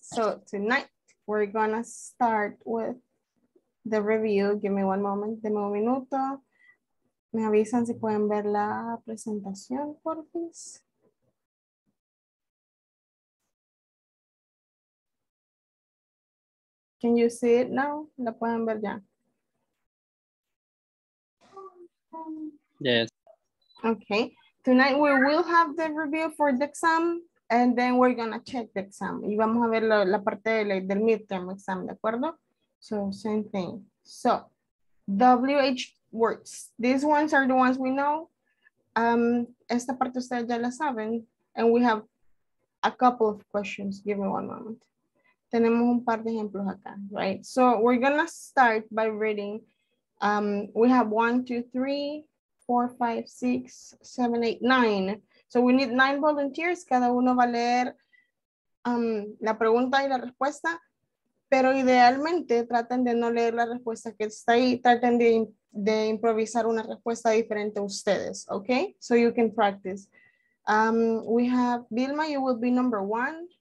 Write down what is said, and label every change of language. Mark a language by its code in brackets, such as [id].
[en] So tonight we're gonna start with the review. Give me one moment, [es] demo un minuto. Me avisan si pueden ver la presentación, por favor. [en] Can you see it now? [es] ¿La pueden ver ya? [en] Yes. Okay. Tonight we will have the review for the exam and then we're going to check the exam. [es] Y vamos a ver la parte del midterm exam, ¿de acuerdo? [en] So, same thing. So, WH words. These ones are the ones we know. [es] Esta parte ustedes ya la saben. [en] And we have a couple of questions. Give me one moment. [es] Tenemos un par de ejemplos acá, [en] right? So, we're going to start by reading. We have 1, 2, 3, 4, 5, 6, 7, 8, 9. So, we need 9 volunteers. [es] Cada uno va a leer la pregunta y la respuesta. Pero idealmente traten de no leer la respuesta que está ahí, traten de improvisar una respuesta diferente a ustedes, okay? [en] So you can practice. We have Vilma, you will be number one.